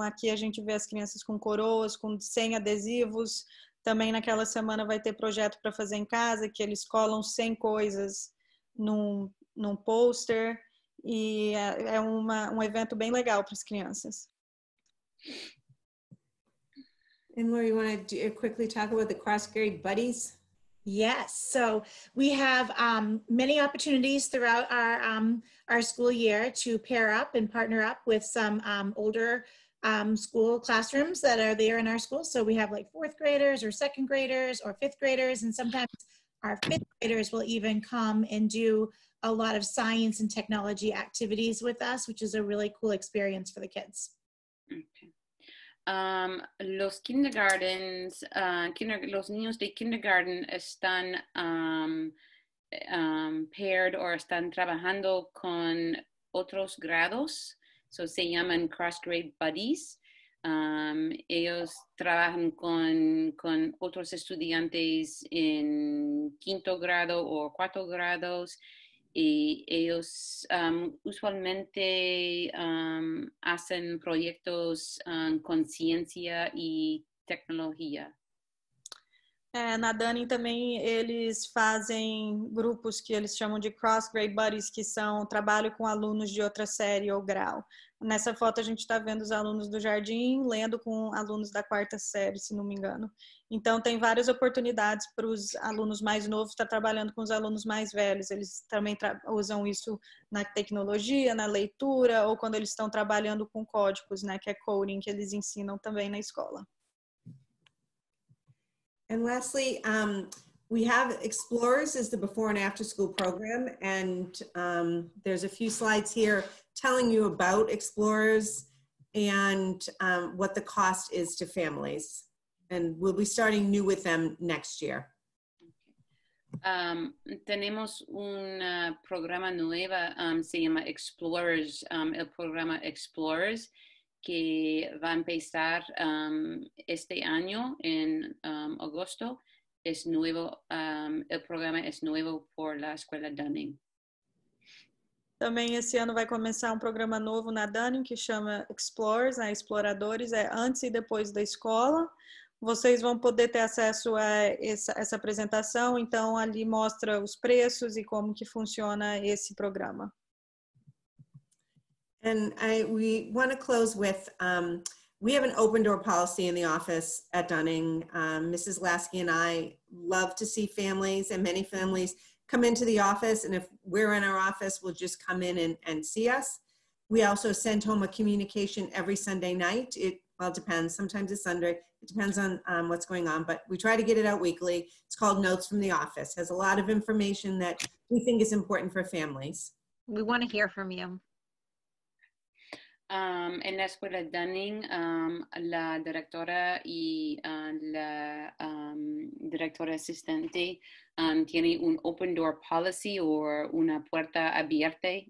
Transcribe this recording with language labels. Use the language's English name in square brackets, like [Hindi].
[Portuguese] Aqui a gente vê as crianças com coroas, com 100 adesivos. Também naquela semana vai ter projeto para fazer em casa, que eles colam 100 coisas num pôster. E é um evento bem legal para as crianças. [English] And Laura, you want to quickly talk about the cross-grade buddies? Yes, so we have many opportunities throughout our school year to pair up and partner up with some older school classrooms that are there in our school. So we have like fourth graders or second graders or fifth graders, and sometimes our fifth graders will even come and do a lot of science and technology activities with us, which is a really cool experience for the kids. Okay. [Spanish] Los kindergartens, los niños de kindergarten están [English] paired or [Spanish] están trabajando con otros grados. [English] So [Spanish] se llaman cross-grade buddies. Ellos trabajan con otros estudiantes en quinto grado o cuarto grados. Y ellos usualmente hacen proyectos con ciencia y tecnología. [Portuguese] É, na Dunning também eles fazem grupos que eles chamam de cross-grade buddies, que são trabalho com alunos de outra série ou grau. Nessa foto a gente está vendo os alunos do jardim lendo com alunos da quarta série, se não me engano. Então tem várias oportunidades para os alunos mais novos estar trabalhando com os alunos mais velhos. Eles também usam isso na tecnologia, na leitura, ou quando eles estão trabalhando com códigos, né, que é coding, que eles ensinam também na escola. [English] And lastly, we have Explorers is the before and after school program, and there's a few slides here telling you about Explorers and what the cost is to families. And we'll be starting new with them next year. [Spanish] Tenemos un programa nuevo, se llama Explorers, el programa Explorers, que va a empezar este año en agosto. Es nuevo, el programa es nuevo por la escuela Dunning. [Portuguese] Também esse ano vai começar um programa novo na Dunning que chama Explorers, né? Exploradores, é antes e depois da escola. Vocês vão poder ter acesso a essa apresentação, então ali mostra os preços e como que funciona esse programa. [English] And we want to close with, we have an open door policy in the office at Dunning. Mrs. Lasky and I love to see families and many families come into the office. And if we're in our office, we'll just come in and see us. We also send home a communication every Sunday night. It depends. Sometimes it's Sunday. It depends on what's going on, but we try to get it out weekly. It's called Notes from the Office. It has a lot of information that we think is important for families. We want to hear from you. [Spanish] En la escuela Dunning, la directora y la directora asistente tiene un [English] open door policy [Spanish] o una puerta abierta